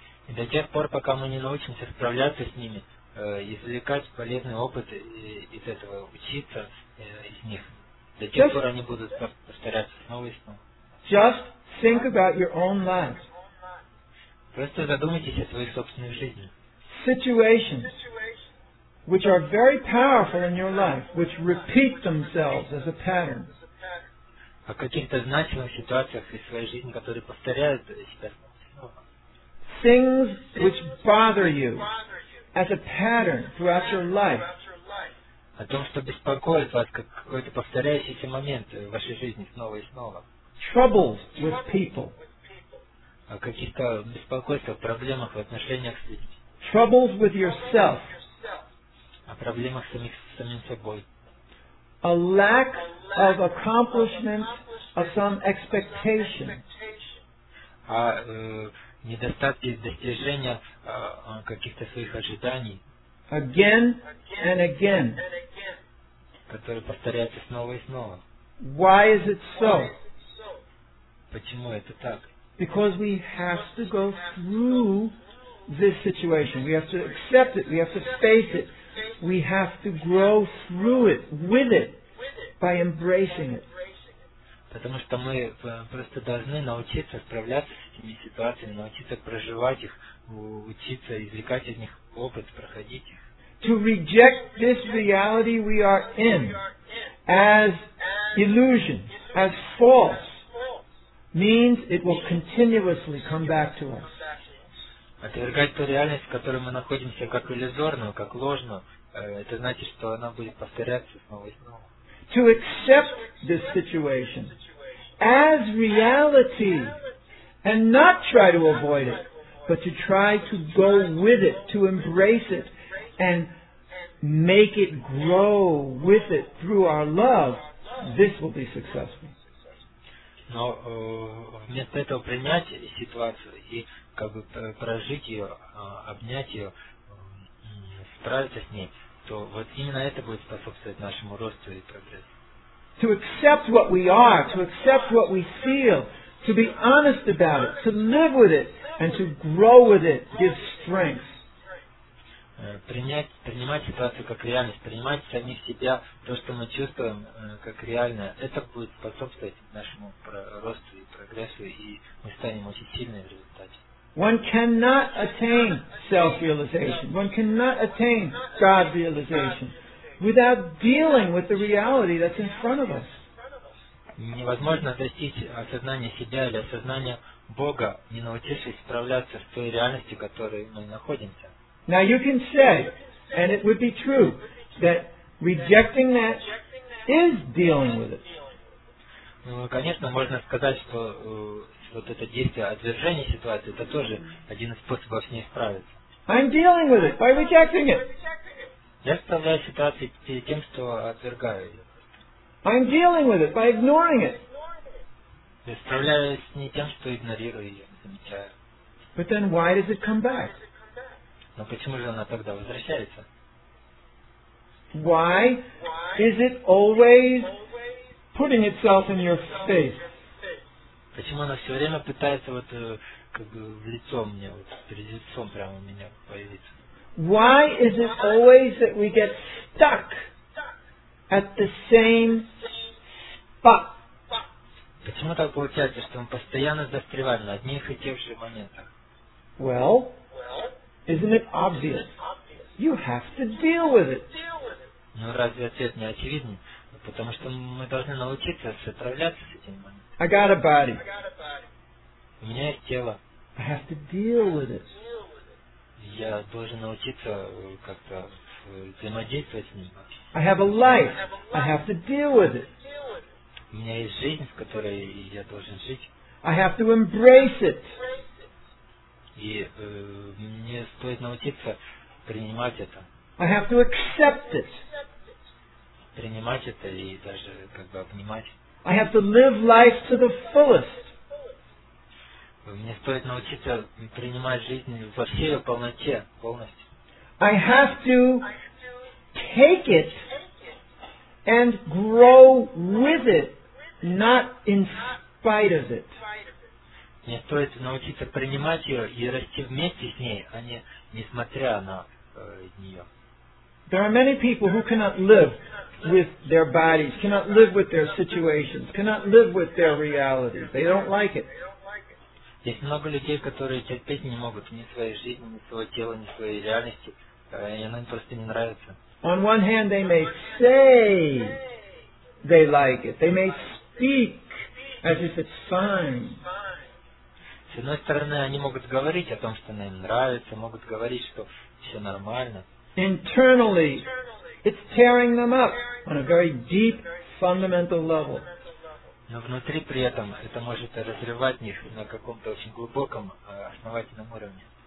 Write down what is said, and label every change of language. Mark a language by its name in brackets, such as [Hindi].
[Russian] И до тех пор, пока мы не научимся справляться с ними, извлекать полезный опыт из этого, учиться из них, до тех пор они будут повторяться снова и снова. [English] Just think about your own life. [Russian] Просто задумайтесь о своей собственной жизни. [English] Situations which are very powerful in your life, which repeat themselves as a pattern. [Russian] О каких-то значимых ситуациях из своей жизни, которые повторяют себя. [English] Things which bother you as a pattern throughout your life. [Russian] О том, что беспокоит вас, как какой-то повторяющийся момент в вашей жизни снова и снова. [English] Troubles with people. [Russian] О каких-то беспокойствах, проблемах в отношениях с людьми. [English] Troubles with yourself. [Russian] О проблемах самим собой. [English] A lack of accomplishment of some expectation. [Russian] О недостатке достижения каких-то своих ожиданий. [English] Again and again. [Russian] Которые повторяются снова и снова. [English] Why is it so? [Russian] Почему это так? [English] Because we have to go through this situation. We have to accept it. We have to face it. We have to grow through it, with it, by embracing it. [Russian] Потому что мы просто должны научиться справляться с этими ситуациями, научиться проживать их, учиться извлекать из них опыт, проходить их. [English] To reject this reality we are in as illusion, as false, means it will continuously come back to us. [Russian] Отвергать ту реальность, в которой мы находимся, как иллюзорную, как ложную, это значит, что она будет повторяться снова и снова. [English] To accept this situation as reality and not try to avoid it, but to try to go with it, to embrace it and make it grow with it through our love, this will be successful. [Russian] Но вместо этого принять ситуацию и как бы прожить ее, обнять ее, справиться с ней, то вот именно это будет способствовать нашему росту и прогрессу. [English] To accept what we are, to accept what we feel, to be honest about it, to live with it, and to grow with it gives strength. [Russian] Принимать ситуацию как реальность, принимать самих себя, то, что мы чувствуем, как реальное, это будет способствовать нашему росту и прогрессу, и мы станем очень сильными в результате. [English] One cannot attain self-realization. One cannot attain God-realization without dealing with the reality that's in front of us. [Russian] Невозможно достичь осознания себя или осознания Бога, не научившись справляться с той реальностью, в которой мы находимся. [English] Now you can say, and it would be true, that rejecting that is dealing with it. [Russian] Ну, конечно, можно сказать, что вот это действие отвержения ситуации, это тоже один из способов с ней справиться. [English] I'm dealing with it by rejecting it. [Russian] Я справляюсь с ситуацией тем, что отвергаю ее. [English] I'm dealing with it by ignoring it. [Russian] Я справляюсь с ней тем, что игнорирую ее, замечаю. [English] But then why does it come back? [Russian] Но почему же она тогда возвращается? [English] Why is it always putting itself in your face? [Russian] Почему она все время пытается вот как бы в лицо мне, вот перед лицом прямо у меня появиться? [English] Why is it always that we get stuck at the same spot? [Russian] Почему так получается, что мы постоянно застреваем на одних и тех же моментах? [English] Well, isn't it obvious? You have to deal with it. [Russian] Ну разве ответ не очевиден? Потому что мы должны научиться справляться с этим. [English] I got a body. [Russian] У меня есть тело. [English] I have to deal with it. [Russian] Я должен научиться как-то взаимодействовать с ним. [English] I have a life. I have to deal with it. [Russian] У меня есть жизнь, в которой я должен жить. [English] I have to embrace it. [Russian] И мне стоит научиться принимать это. [English] I have to accept it. [Russian] Принимать это и даже как бы обнимать. [English] I have to live life to the fullest. [Russian] Мне стоит научиться принимать жизнь во всей ее полноте, полностью. [English] I have to take it and grow with it, not in spite of it. [Russian] мне стоит научиться принимать ее и расти вместе с ней, а не несмотря на нее. [English] There are many people who cannot live with their bodies, cannot live with their situations, cannot live with their reality. They don't like it. [Russian] Есть много людей, которые терпеть не могут ни своей жизни, ни своего тела, ни своей реальности, и она им просто не нравится. [English] On one hand, they may say they like it. They may speak as if it's fine. [Russian] С одной стороны, они могут говорить о том, что им нравится, могут говорить, что все нормально. [English] Internally, it's tearing them up on a very deep, fundamental level. [Russian] Но внутри при этом это может разрывать их на каком-то очень глубоком, основательном уровне.